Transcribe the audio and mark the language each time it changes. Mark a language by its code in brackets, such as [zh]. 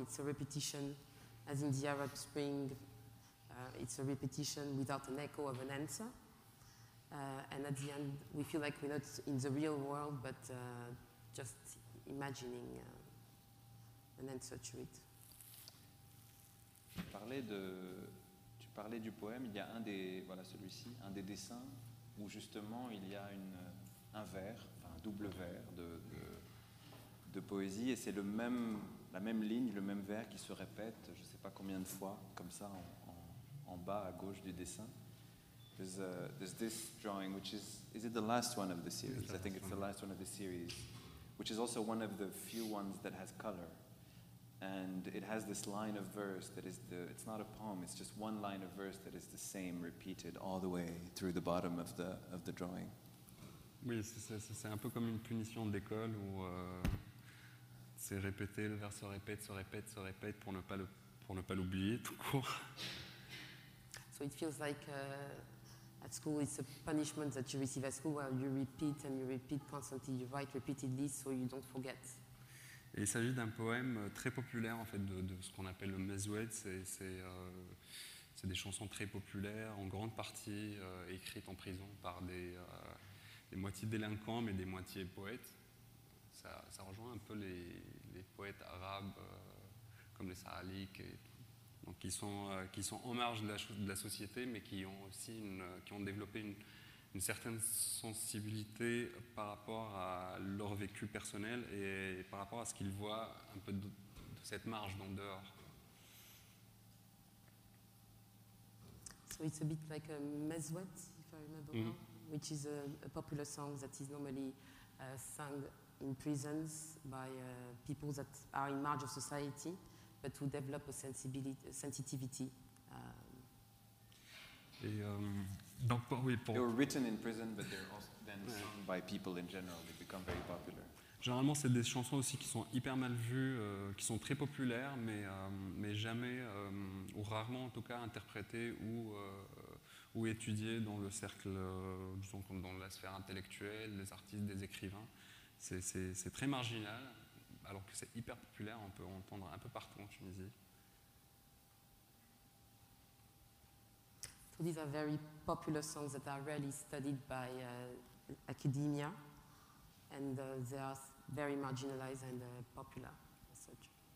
[en] It's a repetition, as in the Arab Spring. It's a repetition without an echo of an answer. And at the end, we feel like we're not in the real world, but just imagining an answer to it. [fr] Parler parlais du poème, il y a un des, voilà celui-ci, un des dessins où justement il y a un vers, enfin, un double vers de poésie, et c'est la même ligne, le même vers qui se répète, je ne sais pas combien de fois, comme ça, en bas à gauche du dessin. [en] There's this drawing, which is it the last one of the series? I think it's the last one of the series, which is also one of the few ones that has color. And it has this line of verse that is the, it's not a poem, it's just one line of verse that is the same repeated all the way through the bottom of the drawing. [fr] Oui, c'est un peu comme une punition d'école où c'est répété, le vers se répète pour ne pas l'oublier tout court. [en] So it feels like at school it's a punishment that you receive at school where you repeat and you repeat constantly, you write repeatedly so you don't forget. [fr] Et il s'agit d'un poème très populaire, en fait, de ce qu'on appelle le mazouet. C'est des chansons très populaires, en grande partie écrites en prison par des moitiés délinquants, mais des moitiés poètes. Ça rejoint un peu les poètes arabes, comme les sahaliques, qui sont en marge de la société, mais qui ont développé une certaine sensibilité par rapport à leur vécu personnel et par rapport à ce qu'ils voient un peu de cette marge d'en dehors. [en] So it's a bit like a mazouet, if I remember well, which is a popular song that is normally sung in prisons by people that are in marge of society, but who develop a sensitivity. They were written in prison, but they're also then sung by people in general. They become very popular. [fr] Généralement, c'est des chansons aussi qui sont hyper mal vues, qui sont très populaires, mais jamais ou rarement, en tout cas, interprétées ou étudiées dans le cercle, disons, dans la sphère intellectuelle, des artistes, des écrivains. C'est très marginal, alors que c'est hyper populaire. On peut entendre un peu partout en Tunisie. [en] These are very popular songs that are rarely studied by academia, and they are very marginalized and popular as such.